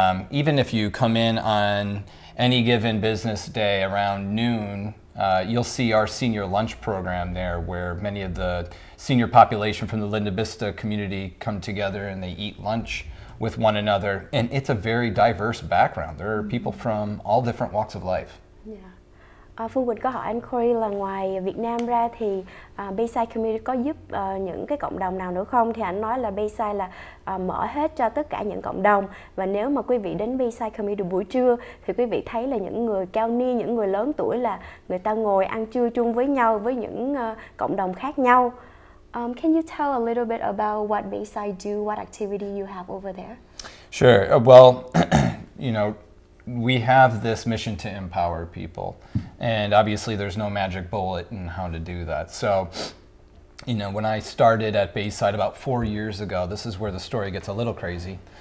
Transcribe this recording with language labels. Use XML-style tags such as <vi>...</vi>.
<en>Even if you come in on any given business day around noon, you'll see our senior lunch program there, where many of the senior population from the Linda Vista community come together and they eat lunch with one another. And it's a very diverse background. There are people from all different walks of life. Yeah.</en> <vi>Phương Quỳnh có hỏi anh Corey là ngoài Việt Nam ra thì Bayside Community có giúp những cái cộng đồng nào nữa không? Thì anh nói là Bayside là mở hết cho tất cả những cộng đồng. Và nếu mà quý vị đến Bayside Community buổi trưa thì quý vị thấy là những người cao niên, những người lớn tuổi là người ta ngồi ăn trưa chung với nhau, với những cộng đồng khác nhau.</vi> <en>Can you tell a little bit about what Bayside do, what activity you have over there? Sure. Well, you know, we have this mission to empower people. And obviously there's no magic bullet in how to do that. So, you know, when I started at Bayside about 4 years ago, this is where the story gets a little crazy.</en>